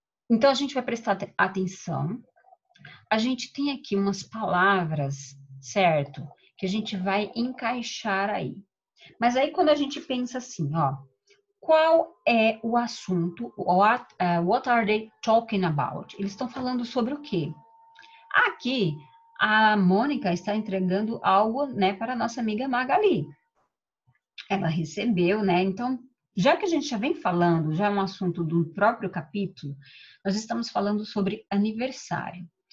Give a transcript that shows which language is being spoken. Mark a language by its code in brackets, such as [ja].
[pt] Então, a gente vai prestar atenção. A gente tem aqui umas palavras, certo? Que a gente vai encaixar aí. Mas aí, quando a gente pensa assim, ó, qual é o assunto? [en] What are they talking about? [pt] Eles estão falando sobre o quê? Aqui, a Mônica está entregando algo, né, para a nossa amiga Magali. Ela recebeu, né? Então, já que a gente já vem falando, já é um assunto do próprio capítulo, nós estamos falando sobre aniversário.